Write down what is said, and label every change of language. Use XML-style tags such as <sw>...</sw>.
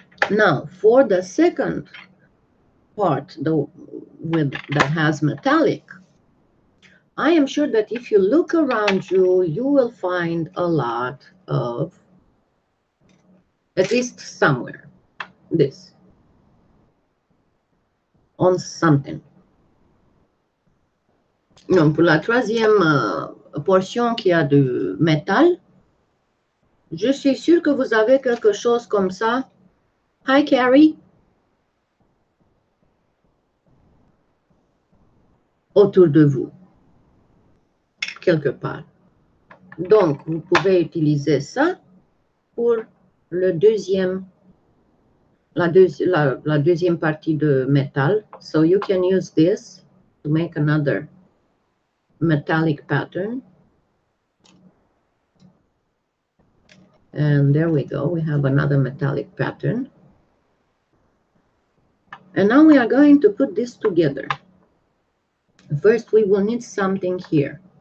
<en>Now, for the second part, that has metallic, I am sure that if you look around you, you will find a lot of, at least somewhere, this on something.</en> <fr>Non, pour la troisième portion qui a du métal, je suis sûre que vous avez quelque chose comme ça.</fr> <en>Hi, Carrie.</en> <fr>Autour de vous. Quelque part. Donc, vous pouvez utiliser ça pour le deuxième, la deuxième partie de métal.</fr> <en>So, you can use this to make another metallic pattern. And there we go. We have another metallic pattern. And now we are going to put this together. First, we will need something here.</en>